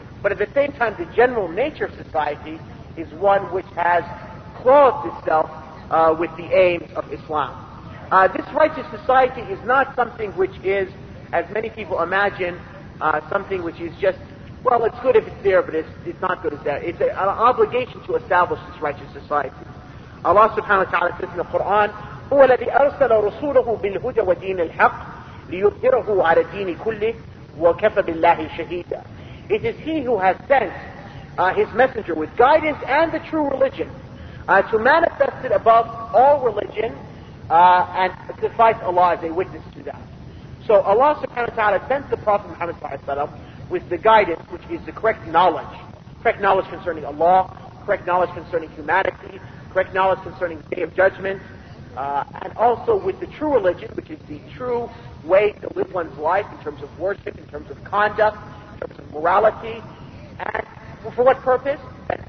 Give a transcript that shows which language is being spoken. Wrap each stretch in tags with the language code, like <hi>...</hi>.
<en>But at the same time, the general nature of society is one which has clothed itself with the aims of Islam. This righteous society is not something which is, as many people imagine, something which is just, well, it's good if it's there, but it's not good if it's there. It's an obligation to establish this righteous society. Allah subhanahu wa ta'ala says in the Quran,</en> <ar>هُوَ الَّذِي أَرْسَلَ رُسُولَهُ بِالْهُدَى وَدِينِ الْحَقِّ لِيُظْهِرَهُ عَلَى دِينِ كُلِّهِ وَكَفَى بِاللَّهِ شَهِيدًا.</ar> <en>It is He who has sent His messenger with guidance and the true religion to manifest it above all religion and suffice Allah as a witness to that. So Allah subhanahu wa ta'ala sent the Prophet Muhammad sallallahu alayhi wa sallam with the guidance, which is the correct knowledge concerning Allah, correct knowledge concerning humanity, correct knowledge concerning the Day of Judgment, and also with the true religion, which is the true way to live one's life in terms of worship, in terms of conduct, in terms of morality. And for what purpose? That</en>